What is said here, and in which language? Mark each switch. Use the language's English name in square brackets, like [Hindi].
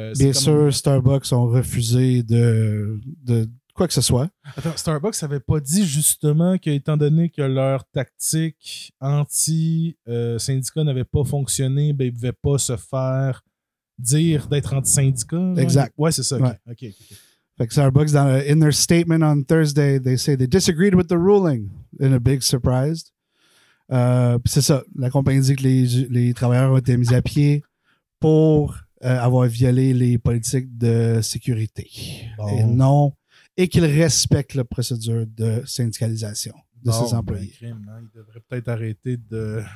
[French] Starbucks ont refusé de quoi que ce soit. Attends, Starbucks n'avait pas dit justement qu'étant donné que leur tactique anti-syndicat n'avait pas fonctionné, ben, ils ne pouvaient pas se faire dire d'être anti-syndicat. Exact. Ouais, c'est ça. Okay. Ouais. Okay. Fait que [English] Starbucks, in their statement on Thursday, they say they disagreed with the ruling in a big surprise. [French] C'est ça. La compagnie dit que les travailleurs ont été mis à pied pour avoir violé les politiques de sécurité. Bon. Et qu'ils respectent la procédure de syndicalisation. de ses employés. Ben, crime, hein? Il devrait peut-être arrêter de...